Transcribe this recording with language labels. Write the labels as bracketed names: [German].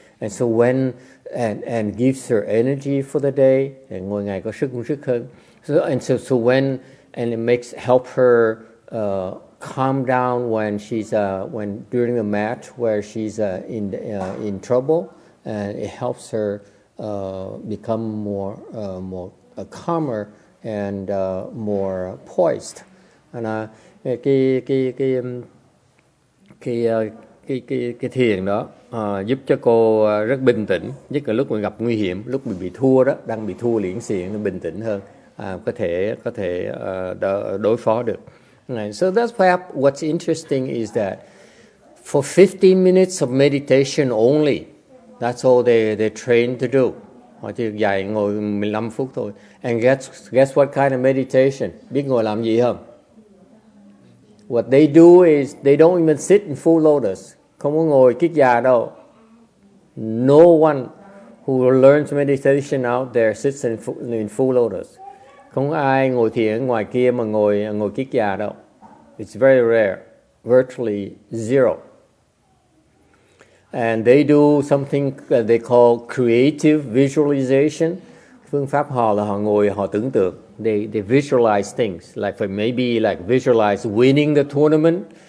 [English] And so when, and gives her energy for the day, and [Vietnamese] ngồi ngày có sức hơn. [English] And it makes, help her calm down when she's, when during a match where she's in trouble. And it helps her become more calmer and more poised. [Vietnamese] And cái thiền đó giúp cho cô rất bình tĩnh, nhất là lúc mình gặp nguy hiểm, lúc mình bị thua đó, đang bị thua liễn xiển, bình tĩnh hơn, có thể đối phó được. [English] And so that's what's interesting is that for 15 minutes of meditation only, that's all they train to do. [Vietnamese] Họ chỉ dạy ngồi 15 phút thôi. [English] And guess what kind of meditation? [Vietnamese] Biết ngồi làm gì không? [English] What they do is they don't even sit in full lotus. [Vietnamese] Không có ngồi kiết già đâu. [English] No one who learns meditation out there sits in full lotus. [Vietnamese] Không ai ngồi thiền ngoài kia mà ngồi kiết già đâu. [English] It's very rare. Virtually zero. And they do something they call creative visualization. [Vietnamese] Phương pháp họ là họ ngồi, họ tưởng tượng. [English] They visualize things. Like for maybe like visualize winning the tournament.